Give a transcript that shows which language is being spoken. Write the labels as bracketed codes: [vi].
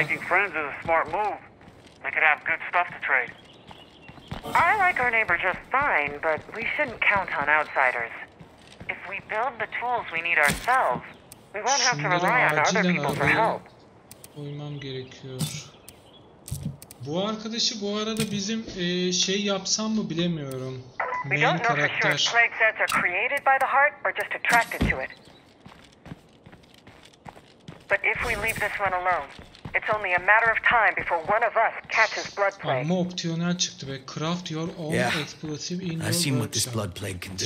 [en] Making friends is a smart move. They could have good stuff to trade. I like our neighbor just fine, but we shouldn't count on outsiders. If we build the tools we need ourselves, we won't have to rely on other people for help. [tr] Uymam gerekiyor. Bu arkadaşı bu arada bizim şey yapsam mı bilemiyorum. [en] We don't know for sure if plague sets are created by the heart or just attracted to it. But if we leave this one alone, it's only a matter of time before one of us catches blood plague. [tr] Ama opsiyonel çıktı be. [en] Craft your own explosive in your workshop. I've seen what this blood plague can do.